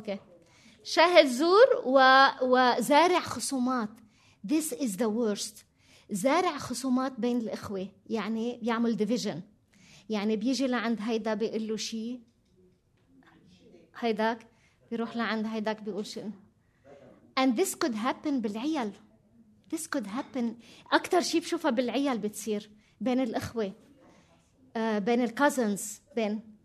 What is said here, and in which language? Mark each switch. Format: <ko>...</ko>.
<ar>Okay. شاهد زور وزارع خصومات.</ar> <en>This is the worst.</en> <ar>زارع خصومات بين الإخوة، يعني بيعمل division، يعني بيجي لعند هيدا بيقول له شيء، هيداك بيروح لعند هيداك بيقول شيء.</ar> <en>And this could happen</en> <ar>بالعيال.</ar> <en>This could happen.</en> <ar>أكتر شيء بشوفها بالعيال بتصير بين الإخوة، بين الكازنز، بين.</ar>